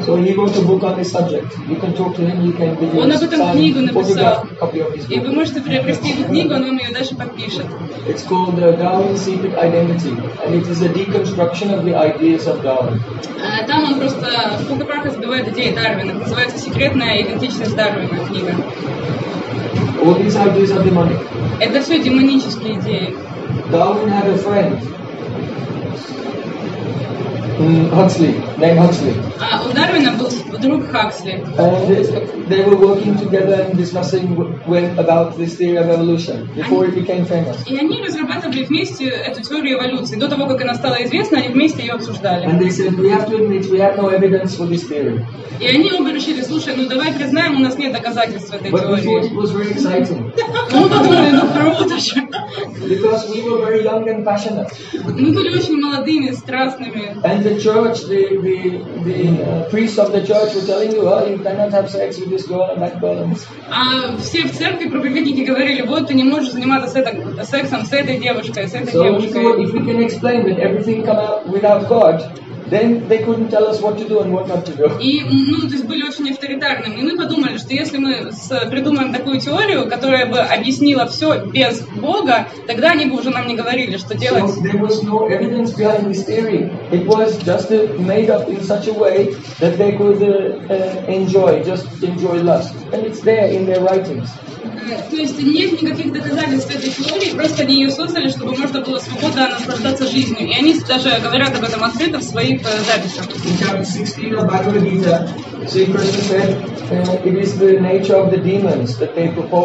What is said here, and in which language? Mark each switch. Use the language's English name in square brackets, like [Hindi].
[English] So he wrote a book on this subject. You can talk to him, you can give [Russian] him И вы можете приобрести эту книгу, он вам ее даже подпишет. [English] It's called the Darwin Secret Identity, and it is a deconstruction of the ideas of Darwin. [Russian] Там он просто в пух и прах разбивает идеи Дарвина. Называется «Секретная идентичность Дарвина» книга. [English] All these ideas are demonic. [Russian] Это все демонические идеи. [English] Darwin had a friend. Huxley, named Huxley. [Russian] У Дарвина был друг Хаксли. [English] They were working together and discussing about this theory of evolution before it became famous. [Russian] И они разрабатывали вместе эту теорию эволюции. До того, как она стала известна, они вместе ее обсуждали. [English] And they said, we have to admit, we have no evidence for this theory. [Russian] И они оба решили, слушай, давай признаем, у нас нет доказательств этой [English] But [Russian] теории. [English] But we thought it was really exciting. [Russian] Мы подумали, круто же. [English] Because we were very young and passionate. [Russian] Мы были очень молодыми, страстными. [English] And the church, the priests of the church were telling you, you cannot have sex with this girl and that girl. [Russian] А все в церкви проповедники говорили, ты не можешь заниматься сексом с этой девушкой. [English] So if we can explain that everything come out without God, Then they couldn't tell us what to do and what not to do. [Russian] И, ну, то есть были очень авторитарными. И мы подумали, что если мы придумаем такую теорию, которая бы объяснила все без Бога, тогда они бы уже нам не говорили, что делать. [English] So there was no evidence behind this theory. It was just made up in such a way that they could enjoy, just enjoy lust. And it's there in their writings. [Russian] То есть нет никаких доказательств этой теории, просто они ее создали, чтобы можно было свободно наслаждаться жизнью. И они даже говорят об этом открыто в своих записях.